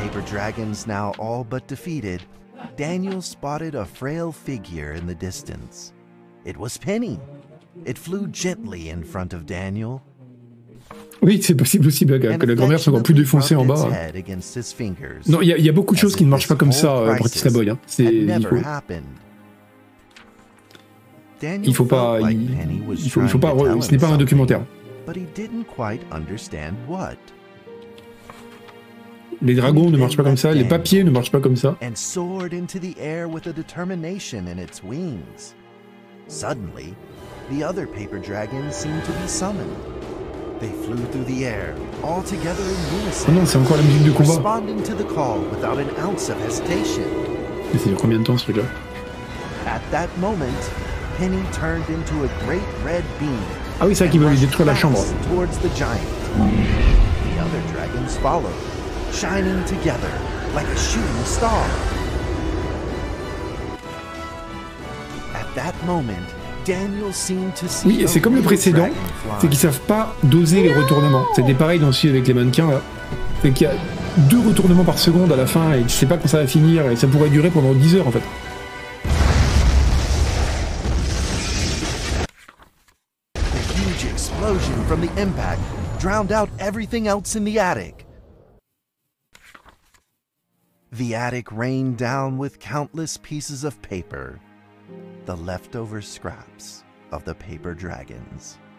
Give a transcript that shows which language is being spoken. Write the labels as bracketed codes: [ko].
[en] Dragons now all but defeated, Daniel spotted a frail figure in the distance. It was Penny. It flew gently in front of Daniel. [fr] Oui, c'est possible aussi que la grand-mère soit encore plus défoncée en bas. Hein. Non, il y a beaucoup de choses qui ne marchent pas comme ça, Bratislava Boy. Hein. C'est il faut pas. Ce n'est pas un documentaire. [en] But he didn't quite understand what. [fr] Les dragons ne marchent pas comme ça, les papiers ne marchent pas comme ça. [en] And soared into the air with a determination in its wings. Suddenly, the other paper dragon seemed to be summoned. They flew through the air, all together in unison. [fr] Oh non, c'est encore la musique du combat. [en] Responding to the call without an ounce of hesitation. [fr] Mais c'est dur combien de temps ce truc-là? [en] At that moment, Penny turned into a great red beam. [fr] Ah oui, c'est ça qui va lui détruire la chambre. [en] Towards the giant. The other dragons followed. Shining together like a shooting star. At that moment, Daniel seemed to see. [fr] Oui, et c'est comme le précédent, c'est qu'ils savent pas doser les retournements. C'était pareil dans celui avec les mannequins là. C'est qu'il y a 2 retournements par seconde à la fin et tu sais pas quand ça va finir et ça pourrait durer pendant 10 heures en fait. [en] The huge explosion from the impact drowned out everything else in the attic. The attic rained down with countless pieces of paper, the leftover scraps of the paper dragons.